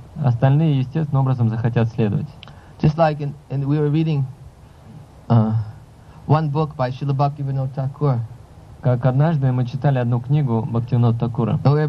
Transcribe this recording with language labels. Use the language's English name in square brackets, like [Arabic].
[Russian] Остальные естественным образом захотят следовать. [English] Just like in we were reading one book by Srila Bhakti Vinod Thakur. [Russian] Как однажды мы читали одну книгу Бхактивинода Такура.